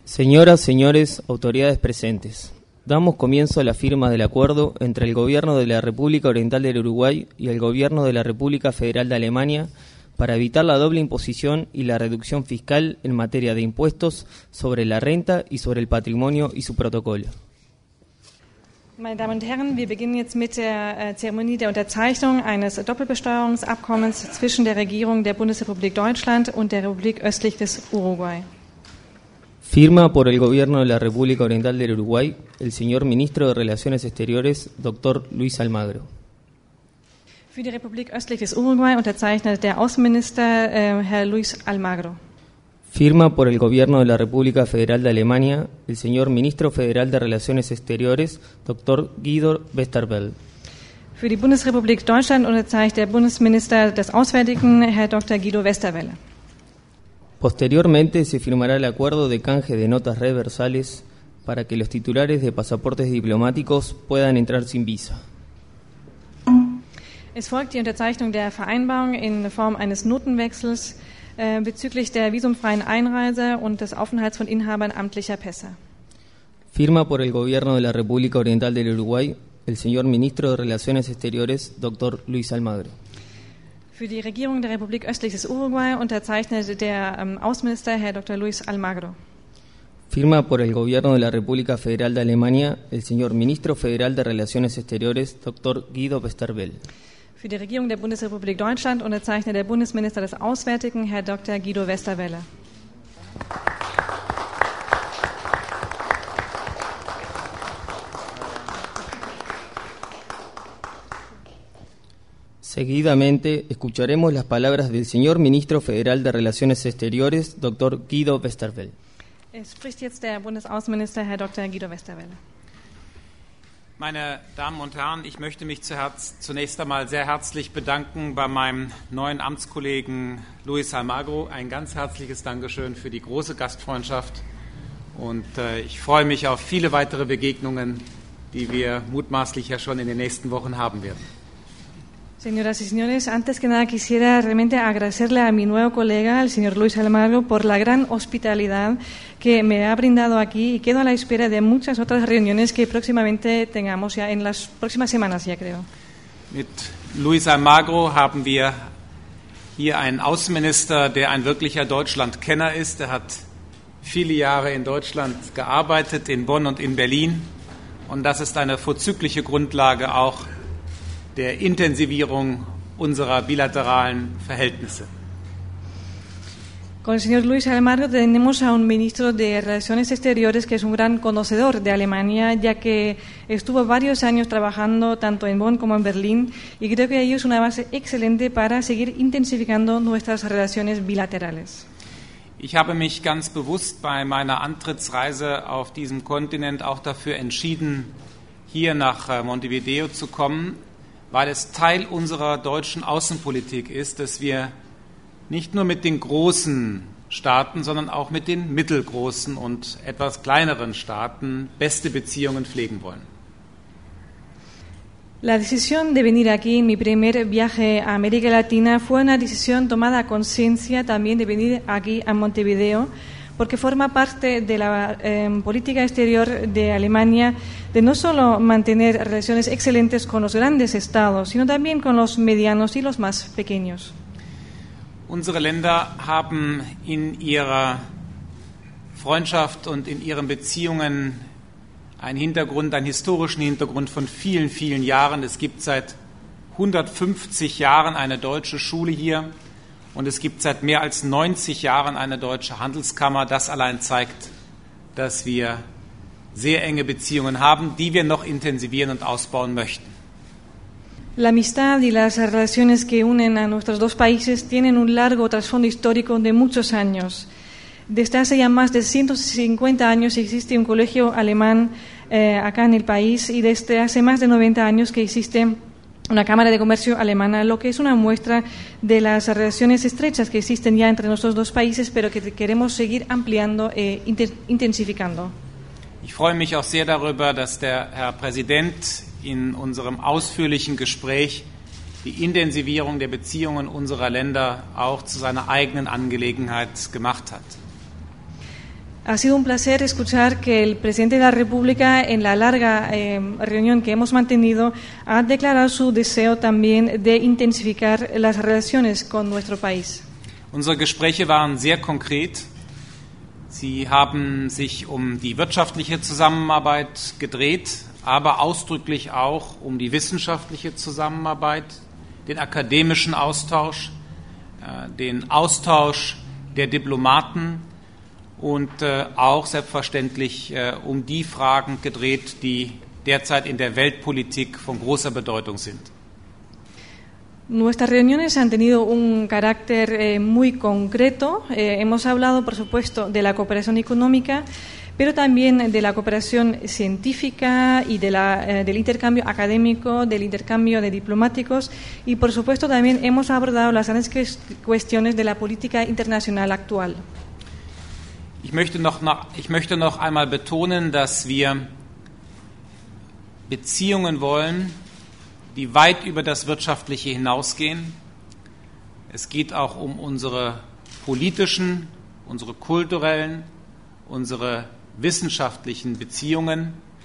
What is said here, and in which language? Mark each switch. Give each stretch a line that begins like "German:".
Spanish: Señoras, señores, autoridades presentes, damos comienzo a la firma del acuerdo entre el Gobierno de la República Oriental del Uruguay y el Gobierno de la República Federal de Alemania para evitar la doble imposición y la reducción fiscal en materia de impuestos sobre la renta y sobre el patrimonio y su protocolo.
German: Meine Damen und Herren, wir beginnen jetzt mit der Zeremonie der Unterzeichnung eines Doppelbesteuerungsabkommens zwischen der Regierung der Bundesrepublik Deutschland und der Republik östlich des Uruguay.
Spanish: Firma por el Gobierno de la República Oriental del Uruguay, el señor Ministro de Relaciones Exteriores, Dr. Luis Almagro.
German: Für die Republik östlich des Uruguay unterzeichnet der Außenminister Herr Luis Almagro.
Spanish: Firma por el Gobierno de la República Federal de Alemania, el señor Ministro Federal de Relaciones Exteriores, Dr. Guido Westerwelle.
German: Für die Bundesrepublik Deutschland unterzeichnet der Bundesminister des Auswärtigen, Herr Dr. Guido Westerwelle.
Spanish: Posteriormente se firmará el acuerdo de canje de notas reversales para que los titulares de pasaportes diplomáticos puedan entrar sin visa.
German: Es folgt die Unterzeichnung der Vereinbarung in Form eines Notenwechsels bezüglich der visumfreien Einreise und des Aufenthalts von Inhabern amtlicher Pässe.
Spanish: Firma por el Gobierno de la República Oriental del Uruguay, el señor Ministro de Relaciones Exteriores, Dr. Luis Almagro.
German: Für die Regierung der Republik östlich des Uruguay unterzeichnet der Außenminister Herr Dr. Luis Almagro.
Spanish: Firma por el Gobierno de la República Federal de Alemania, el señor Ministro Federal de Relaciones Exteriores, Dr. Guido Westerwelle.
German: Für die Regierung der Bundesrepublik Deutschland unterzeichnet der Bundesminister des Auswärtigen Herr Dr. Guido Westerwelle.
Spanish: Seguidamente, escucharemos las palabras del señor Ministro Federal de Relaciones Exteriores, Dr. Guido Westerwelle.
German: Es spricht jetzt der Bundesaußenminister, Herr Dr. Guido Westerwelle. Meine Damen und Herren, ich möchte mich zunächst einmal sehr herzlich bedanken bei meinem neuen Amtskollegen Luis Almagro. Ein ganz herzliches Dankeschön für die große Gastfreundschaft. Und ich freue mich auf viele weitere Begegnungen, die wir mutmaßlich ja schon in den nächsten Wochen haben werden.
Spanish: Señoras y señores, antes que nada quisiera realmente agradecerle a mi nuevo colega, el señor Luis Almagro, por la gran hospitalidad que me ha brindado aquí y quedo a la espera de muchas otras reuniones que próximamente tengamos ya en las próximas semanas, ya creo.
German: Mit Luis Almagro haben wir hier einen Außenminister, der ein wirklicher Deutschlandkenner ist. Er hat viele Jahre in Deutschland gearbeitet, in Bonn und in Berlin. Und das ist eine vorzügliche Grundlage auch der Intensivierung unserer bilateralen Verhältnisse.
Spanish: Con el señor Luis Almagro tenemos a un ministro de Relaciones Exteriores que es un gran conocedor de Alemania, ya que estuvo varios años trabajando tanto en Bonn como en Berlín, y creo que ahí es una base excelente para seguir intensificando nuestras relaciones bilaterales.
German: Ich habe mich ganz bewusst bei meiner Antrittsreise auf diesem Kontinent auch dafür entschieden, hier nach Montevideo zu kommen, weil es Teil unserer deutschen Außenpolitik ist, dass wir nicht nur mit den großen Staaten, sondern auch mit den mittelgroßen und etwas kleineren Staaten beste Beziehungen pflegen wollen.
Spanish: La decisión de venir aquí en mi primer viaje a América Latina fue una decisión tomada a conciencia también de venir aquí a Montevideo, porque forma parte de la política exterior de Alemania de no solo mantener relaciones excelentes con los grandes estados, sino también con los medianos y los más pequeños.
German: Unsere Länder haben in ihrer Freundschaft und in ihren Beziehungen einen Hintergrund, einen historischen Hintergrund von vielen, vielen Jahren. Es gibt seit 150 Jahren eine deutsche Schule hier. Und es gibt seit mehr als 90 Jahren eine deutsche Handelskammer. Das allein zeigt, dass wir sehr enge Beziehungen haben, die wir noch intensivieren und ausbauen möchten.
Spanish: La amistad y las relaciones que unen a nuestros dos países tienen un largo trasfondo histórico de muchos años. Desde hace ya más de 150 años existe un colegio alemán acá en el país y desde hace más de 90 años que existe una Cámara de Comercio alemana, lo que es una muestra de las relaciones estrechas que existen ya entre nuestros dos países, pero que queremos seguir ampliando e intensificando.
German: Ich freue mich auch sehr darüber, dass der Herr Präsident in unserem ausführlichen Gespräch die Intensivierung der Beziehungen unserer Länder auch zu seiner eigenen Angelegenheit gemacht hat.
Spanish: Ha sido un placer escuchar que el presidente de la República, en la larga reunión que hemos mantenido, ha declarado su deseo también de intensificar las relaciones con nuestro país.
German: Unsere Gespräche waren sehr konkret. Sie haben sich um die wirtschaftliche Zusammenarbeit gedreht, aber ausdrücklich auch um die wissenschaftliche Zusammenarbeit, den akademischen Austausch, den Austausch der Diplomaten und auch selbstverständlich um die Fragen gedreht, die derzeit in der Weltpolitik von großer Bedeutung sind.
Spanish: Nuestras reuniones han tenido un carácter muy concreto. Hemos hablado, por supuesto, de la cooperación económica, pero también de la cooperación científica y de la, del intercambio académico, del intercambio de diplomáticos, y, por supuesto, también hemos abordado las grandes cuestiones de la política internacional actual.
German: Ich möchte noch einmal betonen, dass wir Beziehungen wollen, die weit über das Wirtschaftliche hinausgehen. Es geht auch um unsere politischen, unsere kulturellen, unsere wissenschaftlichen Beziehungen.